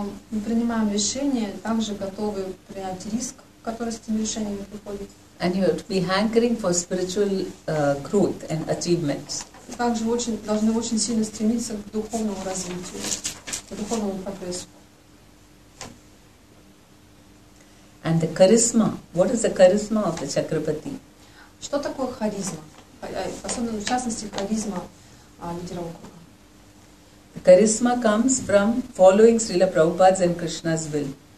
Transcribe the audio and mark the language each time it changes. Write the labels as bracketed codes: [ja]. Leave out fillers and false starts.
[ru] Мы принимаем решения, также готовы принять риск, который с этими решениями приходит. [en] And you have to be hankering for spiritual growth and achievements. [ru] Также должны очень сильно стремиться к духовному развитию, к духовному прогрессу. [en] And the charisma. What is the charisma of the Chakrapati? [ru] Что такое харизма? Особенно в частности харизма лидера округа. [en] The charisma comes from following Srila Prabhupada's and Krishna's will.